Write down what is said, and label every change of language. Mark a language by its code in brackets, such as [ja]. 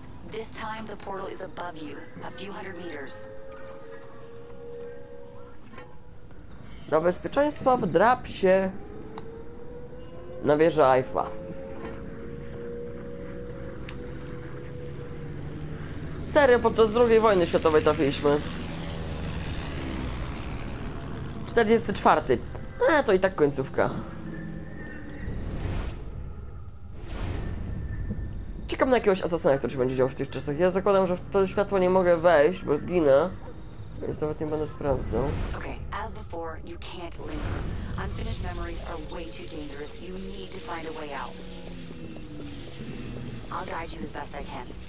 [en] This time the portal is above you, a few hundred meters. [pl] Dla bezpieczeństwa wdrap się na wieżę Eiffla. Serio, podczas II wojny światowej trafiliśmy. 44. To i tak końcówka. Czekam na jakiegoś asasyna, który się będzie działo w tych czasach. Ja zakładam, że w to światło nie mogę wejść, bo zginę. Więc nawet nie będę sprawdzał. [en] Okay, as before, you can't linger. Unfinished memories are way too dangerous. You need to find a way out. I'll guide you as best I can.